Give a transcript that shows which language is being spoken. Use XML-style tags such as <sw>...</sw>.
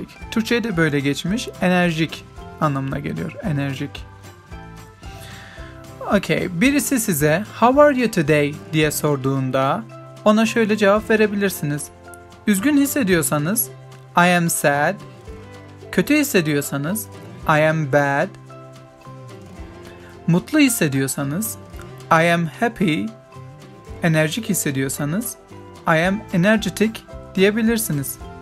<tr>Türkçe'ye de böyle geçmiş. Enerjik anlamına geliyor. Enerjik.</tr> <en>Okay,</en> <tr>birisi size</tr> <en>"How are you today?"</en> <tr>diye sorduğunda ona şöyle cevap verebilirsiniz. Üzgün hissediyorsanız</tr> <en>"I am sad."</en> <tr>Kötü hissediyorsanız</tr> <en>"I am bad."</en> <tr>Mutlu hissediyorsanız</tr> <en>"I am happy."</en> <tr>Enerjik hissediyorsanız</tr> <en>"I am energetic"</en> <tr>diyebilirsiniz.</tr>